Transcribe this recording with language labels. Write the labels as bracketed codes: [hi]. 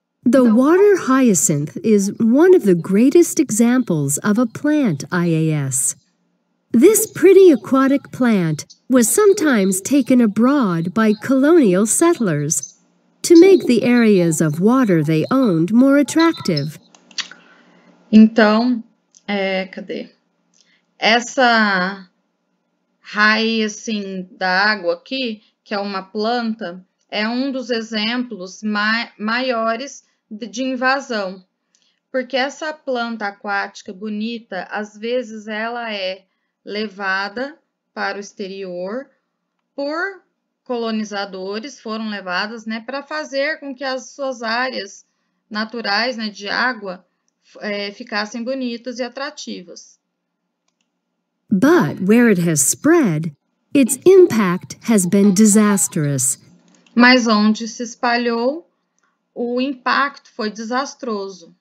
[en] The water hyacinth is one of the greatest examples of a plant IAS. This pretty aquatic plant was sometimes taken abroad by colonial settlers to make the areas of water they owned more attractive. [pt] Então, cadê? Essa raiz assim da água aqui, que é uma planta, é um dos exemplos maiores de invasão. Porque essa planta aquática bonita, às vezes ela é levada para o exterior por colonizadores, foram levadas, né, para fazer com que as suas áreas naturais, né, de água ficassem bonitas e atrativas. [en] But where it has spread, its impact has been disastrous. [pt] Mas onde se espalhou, o impacto foi desastroso.